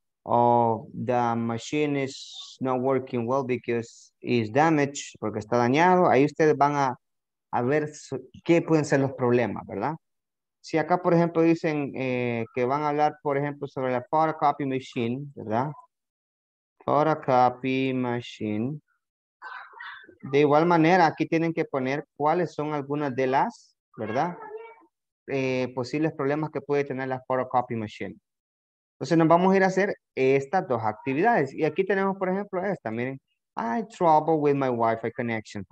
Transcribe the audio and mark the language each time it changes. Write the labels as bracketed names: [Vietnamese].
[English] Oh, the machine is not working well because it's damaged, [Spanish] porque está dañado. Ahí ustedes van a ver qué pueden ser los problemas, ¿verdad? Si acá, por ejemplo, dicen que van a hablar, por ejemplo, sobre la photocopy machine, ¿verdad? Photocopy machine. De igual manera, aquí tienen que poner cuáles son algunas de las, ¿verdad? Posibles problemas que puede tener la photocopy machine. Entonces nos vamos a ir a hacer estas dos actividades. Y aquí tenemos, por ejemplo, esta. Miren, [English] I trouble with my Wi-Fi connection.